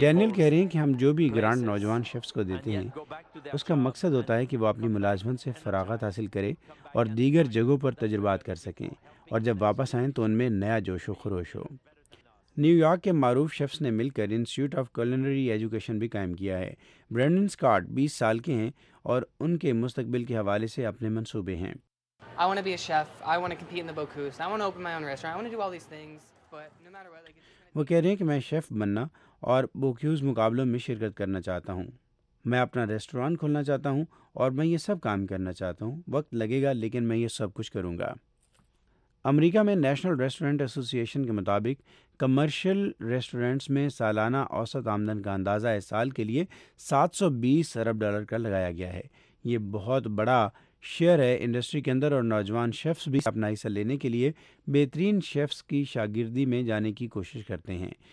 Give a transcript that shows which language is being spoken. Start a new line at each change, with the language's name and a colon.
Urdu: Daniel کہہ رہے ہیں کہ ہم جو بھی گرانٹ نوجوان شیفس کو دیتے ہیں اس کا مقصد ہوتا ہے کہ وہ اپنی ملازمت سے فراغت حاصل کرے اور دیگر جگہوں پر تجربات کر سکیں، اور جب واپس آئیں تو ان میں نیا جوش و خروش ہو۔ نیو یارک کے معروف شیفس نے مل کر انسٹیٹیوٹ آف کلینری ایجوکیشن بھی قائم کیا ہے۔ برینڈن سکاٹ 20 سال کے ہیں اور ان کے مستقبل کے حوالے سے اپنے منصوبے ہیں۔
English: I want to be a chef. I want to compete in the Bocuse. I want to open my own restaurant. I want to do all these things, but no matter what, like
Urdu: وہ کہہ رہے ہیں کہ میں chef بننا اور بوکیوز مقابلوں میں شرکت کرنا چاہتا ہوں۔ میں اپنا ریسٹوران کھولنا چاہتا ہوں اور میں یہ سب کام کرنا چاہتا ہوں۔ وقت لگے گا لیکن میں یہ سب کچھ کروں گا۔ امریکہ میں نیشنل ریسٹورنٹ ایسوسی ایشن کے مطابق کمرشل ریسٹورنٹس میں سالانہ اوسط آمدن کا اندازہ اس سال کے لیے 720 ارب ڈالر کا لگایا گیا ہے۔ یہ بہت بڑا شیئر ہے انڈسٹری کے اندر، اور نوجوان شیفس بھی اپنا حصہ لینے کے لیے بہترین شیفس کی شاگردی میں جانے کی کوشش کرتے ہیں۔